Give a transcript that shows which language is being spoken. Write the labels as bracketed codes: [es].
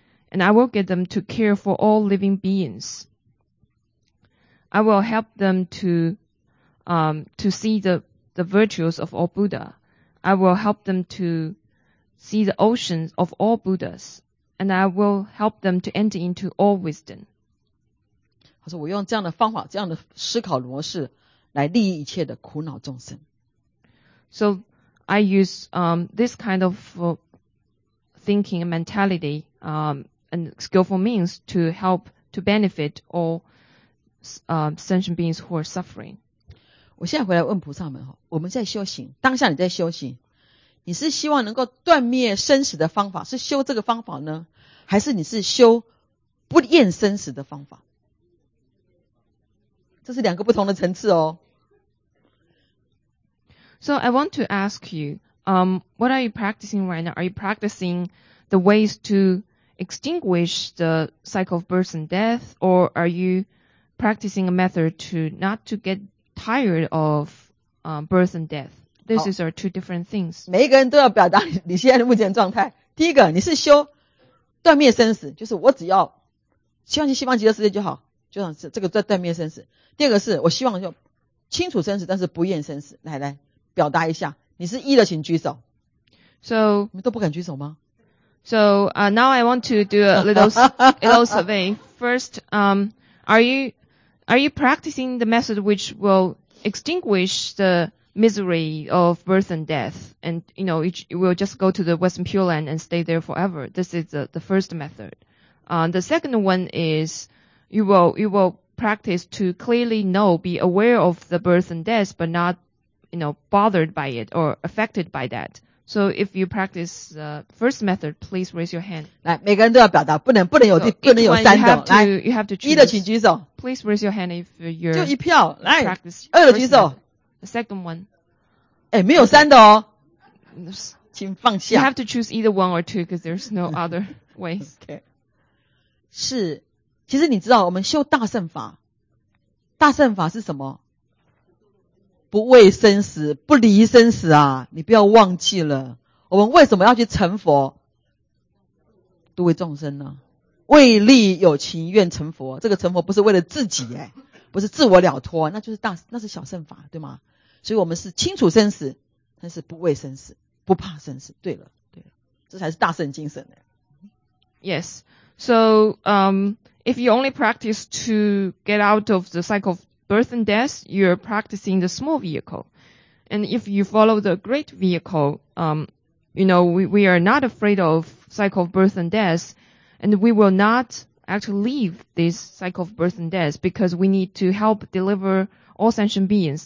[en] And I will get them to care for all living beings. I will help them to see the virtues of all Buddha. I will help them to see the oceans of all Buddhas. And I will help them to enter into all wisdom. [zh] 他说我用这样的方法，这样的思考模式来利益一切的苦恼众生。 [en] So I use this kind of thinking and mentality and skillful means to help to benefit all sentient beings who are suffering. [zh] 我现在回来问菩萨们，我们在修行，当下你在修行，你是希望能够断灭生死的方法，是修这个方法呢，还是你是修不厌生死的方法？这是两个不同的层次哦。 [en] So I want to ask you, what are you practicing right now? Are you practicing the ways to extinguish the cycle of birth and death, or are you practicing a method to not to get tired of birth and death? These are two different things. [zh] 每一个人都要表达你现在目前的状态。第一个，你是修断灭生死，就是我只要希望去西方极乐世界就好，就像这个在断灭生死。第二个是我希望就清楚生死，但是不厌生死。来来，表达一下，你是一的，请举手。 [en] So [zh] 你们都不敢举手吗 [en] ？So now I want to do a little survey. First, are you practicing the method which will extinguish the misery of birth and death, and you know it will just go to the Western Pure Land and stay there forever? This is the first method. The second one is you will practice to clearly know, be aware of the birth and death, but not, you know, bothered by it or affected by that. So if you practice the first method, please raise your hand. [zh] 来，每个人都要表达，不能有第，不能有三种。来， [en] you have to choose. [zh] 一的请举手。 [en] Please raise your hand if you're [zh] 就一票。来，二的举手。 [en] The second one. [zh] 哎，没有三的哦。请放下。 [en] You have to choose either one or two because there's no other ways. Okay. [zh] 是。其实你知道我们修大乘法，大乘法是什么？不畏生死，不离生死啊，你不要忘记了。我们为什么要去成佛？度为众生呢？为利有情愿成佛，这个成佛不是为了自己，欸，不是自我了脱，那就是大，那是小乘法，对吗？所以我们是清楚生死，但是不畏生死，不怕生死。对了对了，这才是大乘精神，欸， [en] Yes. So, if you only practice to get out of the cycle of birth and death, you're practicing the small vehicle. And if you follow the great vehicle, you know, we are not afraid of cycle of birth and death, and we will not actually leave this cycle of birth and death because we need to help deliver all sentient beings.